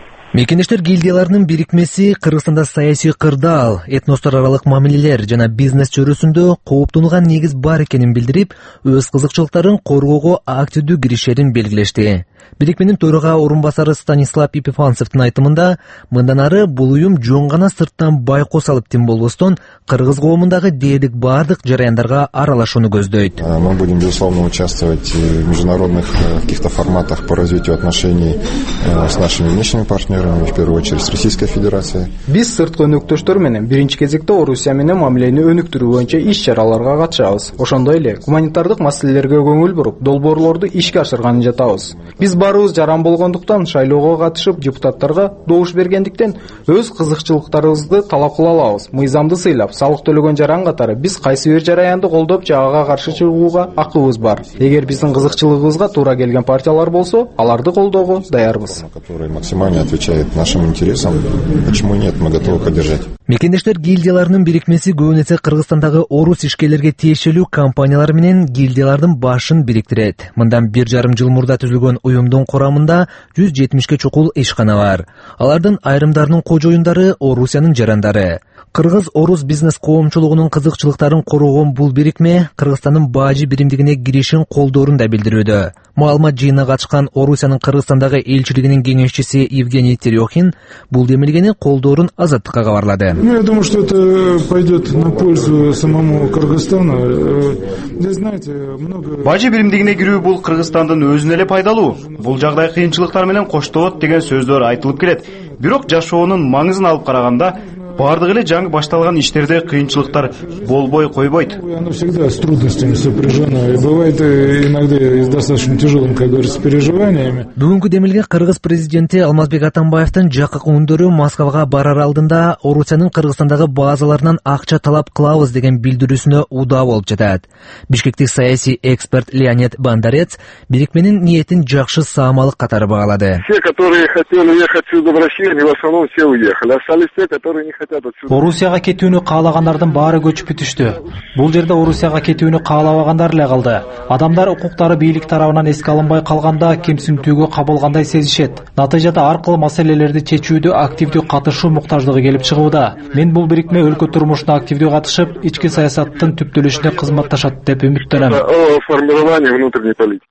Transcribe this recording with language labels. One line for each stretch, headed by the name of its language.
Kyrgyz: Мекендештер гильдияларынын бирикмеси Кыргызстанда саясий кырдаал, этностор аралык мамилелер жана бизнес чөйрөсүндө кооптонулган негиз бар экенин билдирип, өз кызыкчылыктарын коргоого активдүү киришерин белгилешти. Бирикменин төрага орун басары Станислав Епифанцевдин айтымында, мындан ары бул уюм жөн гана сырттан байкоо салып тим болбостон кыргыз коомундагы дээрлик бардык жараяндарга аралашууну көздөйт.
Russian: Мы будем безусловно участвовать в международных каких-то форматах по развитию отношений с нашими внешними партнерами, в первую очередь с Российской Федерацией.
Kyrgyz: Биз сырткы өнөктөштөр менен биринчи кезекте Орусия менен мамилени өнүктүрүү боюнча иш-чараларга катышабыз. Ошондой эле гуманитардык маселелерге көңүл буруп, долбоорлорду ишке ашырганын жатабыз. Биз барыбыз жаран болгондуктан шайлоого катышып депутаттарга добуш бергендиктен өз кызыкчылыктарыбызды талап кыла алабыз. Мыйзамды сыйлап, салык төлөгөн жаран катары биз кайсы бир жараянды колдоп жагага каршы чыгууга акыбыз бар. Эгер биздин кызыкчылыгыбызга туура келген партиялар болсо, аларды колдоого даярбыз.
Russian: Максимально отвечает нашим интересам. Почему нет? Мы готовы поддержать.
Kyrgyz: Мекендештер гильдияларынын бирикмеси көбүнесе Кыргызстандагы орус ишкерлерге тиешелүү компаниялар менен гильдиялардын башын бириктирет. Мындан 1.5 жыл мурда түзүлгөн уюмдун курамында 170 чукул ишкана бар. Алардын айрымдарынын кожоюндары Орусиянын жарандары. Кыргыз орус бизнес коомчулугунун кызыкчылыктарын коргогон бул бирикме Кыргызстандын бажы биримдигине киришин колдоорун да билдирүүдө. Маалымат жыйына катышкан Орусиянын Кыргызстандагы элчилигинин кеңешчиси Евгений Терехин бул демилгени колдоорун Азаттыкка кабарлады.
Russian: Ну, я думаю, что это пойдет на пользу самому Кыргызстану. Вы знаете, много...
Kyrgyz: Бажы биримдигине кирүү бул Кыргызстандын өзүнө эле пайдалуу. Бул жагдай кыйынчылыктар менен коштолот деген сөздөр айтылып келет. Бирок жашоонун маңызын алып караганда, бардыгы эле жаңы башталган иштерде кыйынчылыктар болбой койбойт.
Russian: Оно всегда с трудностями сопряжено. И бывает иногда с достаточно тяжелым, как говорится, переживаниями.
Kyrgyz: Бүгүнкү демилге Кыргыз президенти Алмазбек Атамбаевдин жакын күндөрү Москвага барар алдында Орусиянын Кыргызстандагы базаларынан акча талап кылабыз деген билдирүүсүнө удаа болуп жатат. Бишкектик саясий эксперт Леонид Бандарец бирикменин ниетин жакшы саамалык катары баалады.
Russian: Все, которые хотели уехать сюда в Россию, в основном все уехали. Остались те, которые не хотят отсюда.
Kyrgyz: Орусияга кетүүнү каалагандардын баары көчүп бүтүштү. Бул жерде Орусияга кетүүнү каалабагандар эле калды. Адамдар укуктары бийлик тарабынан эске алынбай калганда кемсинтүүгө кабылгандай сезишет. Натыйжада ар кылуу маселелерди чечүүдө активдүү катышуу муктаждыгы келип чыгууда. Мен бул бирикме өлкө турмушуна активдүү катышып, ички саясаттын түптөлүшүнө кызматташат деп үмүттөнөм.